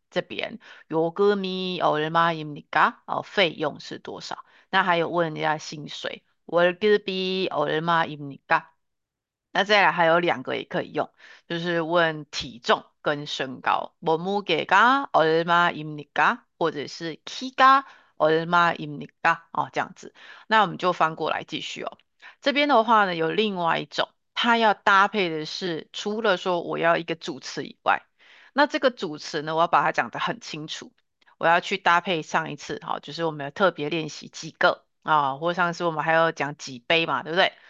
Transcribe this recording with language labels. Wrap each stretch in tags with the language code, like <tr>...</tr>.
<ko>这边요금이얼마입니까？</ko> <zh>哦，费用是多少？那还有问人家薪水，</zh> <ko>월급이얼마입니까？</ko> <zh>那再来还有两个也可以用，就是问体重跟身高，</zh> <ko>몸무게가 얼마입니까？或者是키가 얼마입니까？</ko> <zh>哦，这样子。那我们就翻过来继续哦。这边的话呢，有另外一种，它要搭配的是，除了说我要一个主词以外，那这个主词呢，我要把它讲得很清楚，我要去搭配上一次，就是我们有特别练习几个或上次我们还要讲几杯嘛，对不对？</zh>